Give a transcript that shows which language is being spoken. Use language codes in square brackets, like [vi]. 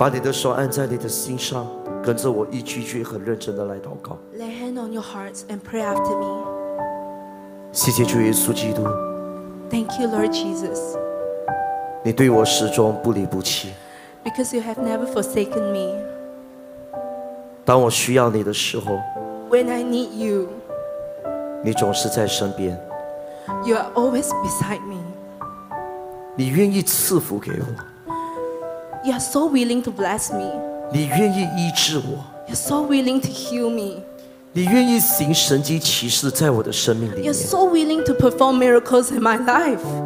[zh] 手按在你的心上，跟着我一句句很认真的来祷告。 [en] Lay hand on your hearts and pray after me. [zh] 谢谢主耶稣基督。 [en] Thank you, Lord Jesus. [zh] 你对我始终不离不弃。 [en] Because you have never forsaken me. [zh] 当我需要你的时候。 [en] When I need you. [zh] 你总是在身边。 [en] You are always beside me. [zh] 你愿意赐福给我。 [en] You are so willing to bless me. [zh] 你愿意医治我。 [en] You are so willing to heal me. [zh] 你愿意行神迹奇事在我的生命里面。 [en] You are so willing to perform miracles in my life.